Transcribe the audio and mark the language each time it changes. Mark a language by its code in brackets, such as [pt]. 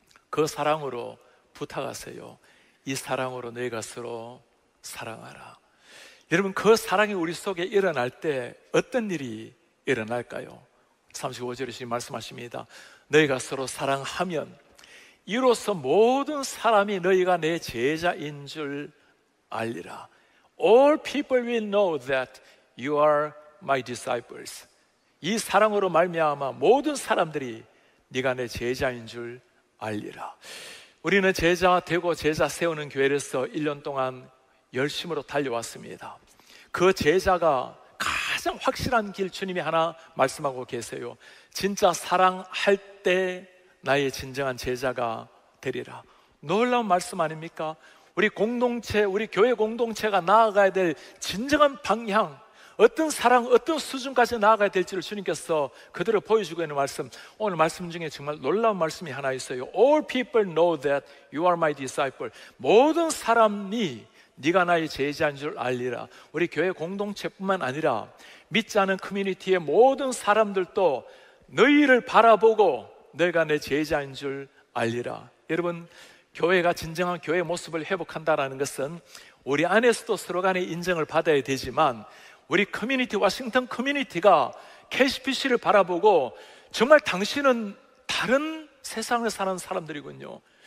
[ko] 그 사랑으로 부탁하세요. 이 사랑으로 너희가 서로 사랑하라. 여러분 그 사랑이 우리 속에 일어날 때 어떤 일이 일어날까요? 35절에 주님 말씀하십니다. 너희가 서로 사랑하면 이로써 모든 사람이 너희가 내 제자인 줄 알리라. [en] All people will know that you are my disciples. [ko] 이 사랑으로 말미암아 모든 사람들이 네가 내 제자인 줄 알리라. 우리는 제자 되고 제자 세우는 교회에서 1년 동안 열심으로 달려왔습니다. 그 제자가 가장 확실한 길 주님이 하나 말씀하고 계세요. 진짜 사랑할 때 나의 진정한 제자가 되리라. 놀라운 말씀 아닙니까? 우리 공동체, 우리 교회 공동체가 나아가야 될 진정한 방향, 어떤 사랑, 어떤 수준까지 나아가야 될지를 주님께서 그대로 보여주고 있는 말씀, 오늘 말씀 중에 정말 놀라운 말씀이 하나 있어요. [en] All people know that you are my disciple. [ko] 모든 사람이 네가 나의 제자인 줄 알리라. 우리 교회 공동체뿐만 아니라 믿지 않은 커뮤니티의 모든 사람들도 너희를 바라보고 너희가 내 제자인 줄 알리라. 여러분, 교회가 진정한 교회 모습을 회복한다라는 것은 우리 안에서도 서로 간의 인정을 받아야 되지만 우리 커뮤니티, 워싱턴 커뮤니티가 KCPC를 바라보고 정말 당신은 다른 세상을 사는 사람들이군요,